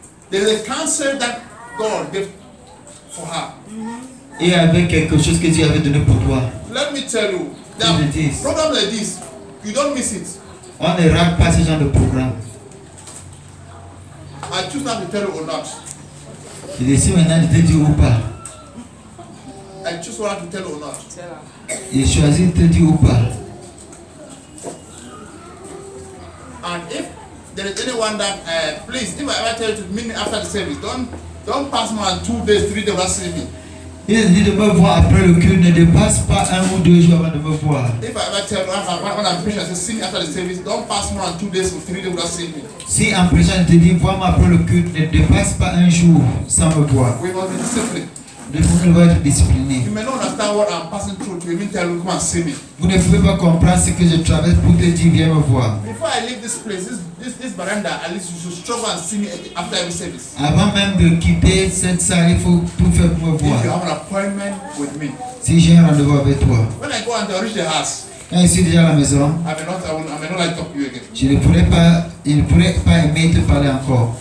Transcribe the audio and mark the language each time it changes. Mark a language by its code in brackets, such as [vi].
[en] There's a cancer that God gave for her. [fr] Et avec quelque chose que Dieu avait donné pour toi. [en] Let me tell you, that program like this, you don't miss it. [fr] On ne rate pas ce genre de programme. [en] I choose not to tell you or not. [fr] Je décide maintenant de te dire ou pas. [en] I choose what I have to tell you or not. [fr] Je choisis de te dire ou pas. [en] And if there is anyone that, please, if I ever tell you to meet me after the service, don't pass more than 2 days, 3 days without seeing me. [fr] Il a dit de me voir après le culte, ne dépasse pas un ou deux jours avant de me voir. [en] If I ever tell when I'm preaching, I say see me after the service, don't pass more than 2 days or 3 days without seeing me. [fr] Si en preaching, je te dis, vois-moi après le culte, ne dépasse pas un jour sans me voir. [en] We must be disciplined. [fr] Nous devons être disciplinés. [en] You may not understand what I'm passing through to you, mean tell you, come and see me. [fr] Vous ne pouvez pas comprendre ce que je traverse pour te dire, viens me voir. [en] Before I leave this place, this veranda, at least you should struggle and see me after every service. [fr] Avant même de quitter cette salle, il faut tout faire pour me voir. [en] If you have an appointment with me. [fr] Si j'ai un rendez-vous avec toi. [en] When I go and I reach the house. [fr] Quand je suis déjà à la maison. [en] I may not like to talk to you again. [fr] Je ne pourrais pas, il ne pourrait pas aimer te parler encore.